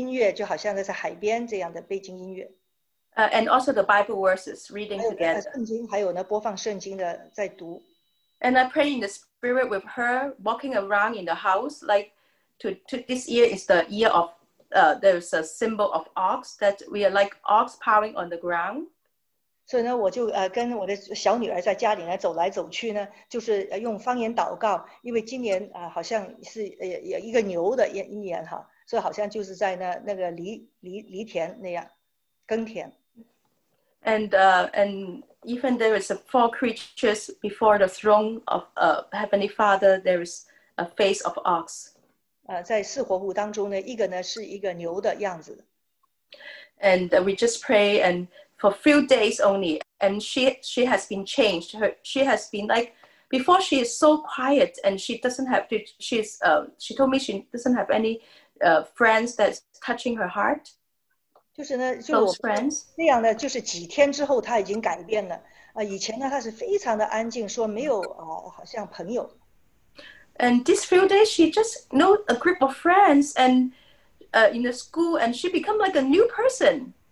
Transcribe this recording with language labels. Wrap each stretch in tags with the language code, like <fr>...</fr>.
<zh>所以呢，我就睡觉之前呢，我们就打开一些的背景的音乐，就好像在海边这样的背景音乐。</zh> <en>And also the Bible verses reading together.</en> <zh>圣经还有呢，播放圣经的在读。</zh> <en>And I pray in the spirit with her walking around in the house, like to this year is the year of there's a symbol of ox that we are like ox powering on the ground.</en> <zh>所以呢，我就跟我的小女儿在家里呢走来走去呢，就是用方言祷告，因为今年好像是一个牛的一年哈，所以好像就是在那个犁田那样耕田。</zh> <en>And even there is a four creatures before the throne of Heavenly Father, there is a face of ox.</en> <zh>在四活物当中呢，一个呢是一个牛的样子。</zh> <en>And we just pray, and for a few days only, and she has been changed. She has been like before she is so quiet and she doesn't have, she's, she told me she doesn't have any friends that's touching her heart.</en> <zh>就是呢,就我那样的,就是几天之后她已经改变了。以前呢,她是非常的安静,说没有好像朋友。</zh> <en>And these few days, she just know a group of friends and in the school, and she become like a new person.</en>